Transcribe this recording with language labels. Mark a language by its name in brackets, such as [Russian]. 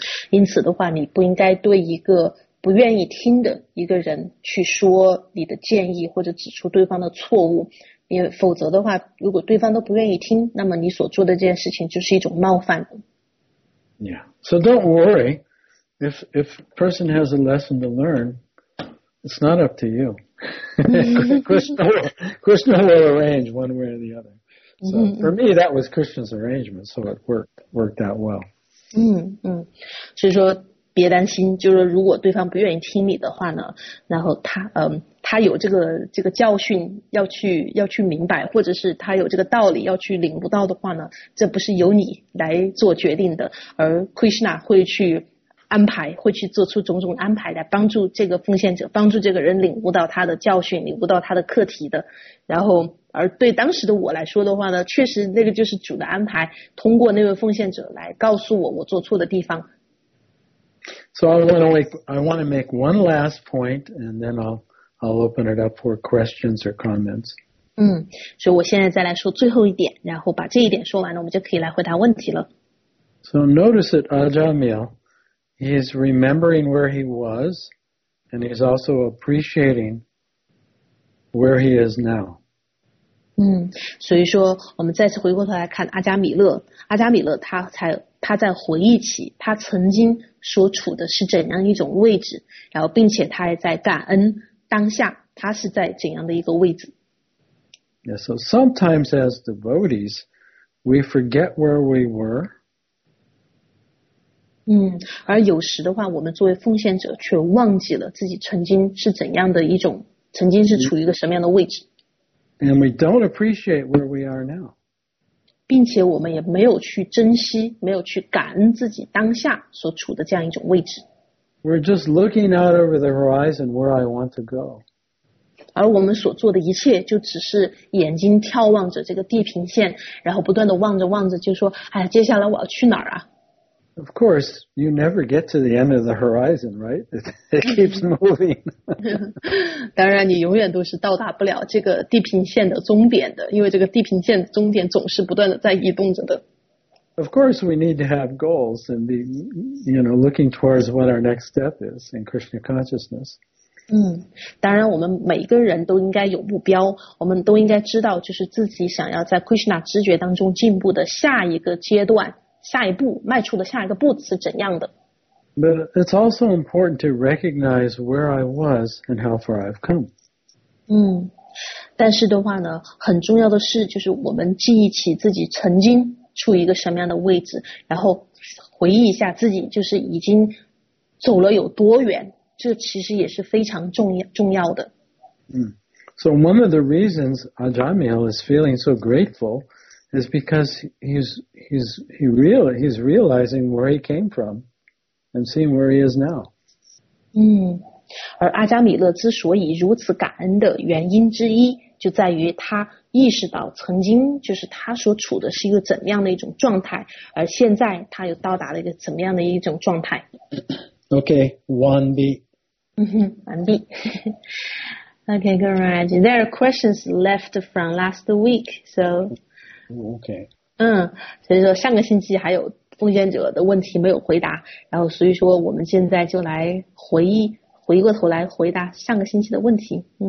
[Chinese] 因此的话你不应该对一个不愿意听的一个人去说你的建议或者指出对方的错误，因为否则的话，如果对方都不愿意听，那么你所做的这件事情就是一种冒犯。 [English] Yeah, so don't worry. If person has a lesson to learn, it's not up to you. Krishna will arrange one way or the other. So for me, that was Krishna's arrangement, so it worked out well. [Chinese] 所以说别担心，就是如果对方不愿意听你的话呢，然后他有这个教训要去明白，或者是他有这个道理要去领悟到的话呢，这不是由你来做决定的，而 Krishna 会去安排，会去做出种种安排来帮助这个奉献者，帮助这个人领悟到他的教训，领悟到他的课题的。然后而对当时的我来说的话呢，确实那个就是主的安排，通过那位奉献者来告诉我做错的地方。 [English] So I want to make one last point, and then I'll open it up for questions or comments. [Chinese] 所以我现在再来说最后一点，然后把这一点说完了，我们就可以来回答问题了。 [English] So notice that Ajamil, he's remembering where he was, and he's also appreciating where he is now. [Chinese] 所以说我们再次回过头来看阿加米勒他在回忆起他曾经所处的是怎样一种位置，然后并且他也在感恩当下他是在怎样的一个位置。 [English] Yeah, so sometimes as devotees, we forget where we were. [Chinese] 而有时的话，我们作为奉献者却忘记了自己曾经是怎样的一种，曾经是处于一个什么样的位置。 [English] And we don't appreciate where we are now. [Chinese] 并且我们也没有去珍惜，没有去感恩自己当下所处的这样一种位置。 [English] We're just looking out over the horizon where I want to go. [Chinese] 而我们所做的一切就只是眼睛眺望着这个地平线，然后不断地望着就说，哎，接下来我要去哪儿啊？ [English] Of course, you never get to the end of the horizon, right? It keeps moving. [Chinese] 当然你永远都是到达不了这个地平线的终点的，因为这个地平线终点总是不断地在移动着的。 [English] Of course, we need to have goals and be, you know, looking towards what our next step is in Krishna consciousness. [Chinese] 当然我们每个人都应该有目标，我们都应该知道就是自己想要在 Krishna 知觉当中进步的下一个阶段，下一步迈出的下一个步子是怎样的。 [English] But it's also important to recognize where I was and how far I've come. [Chinese] 但是的话呢，很重要的是就是我们记忆起自己曾经处于一个什么样的位置，然后回忆一下自己就是已经走了有多远，这其实也是非常重要的。 [English] So one of the reasons Ajamil is feeling so grateful is because he's realizing where he came from and seeing where he is now. [Chinese] 而阿加米勒之所以如此感恩的原因之一就在于他意识到曾经就是他所处的是一个怎样的一种状态，而现在他又到达了一个怎么样的一种状态。 Okay, 完毕。完毕。 [English] Okay, Guruji, there are questions left from last week, so. Okay. [Chinese] 所以说上个星期还有奉献者的问题没有回答，然后所以说我们现在就来回过头来回答上个星期的问题。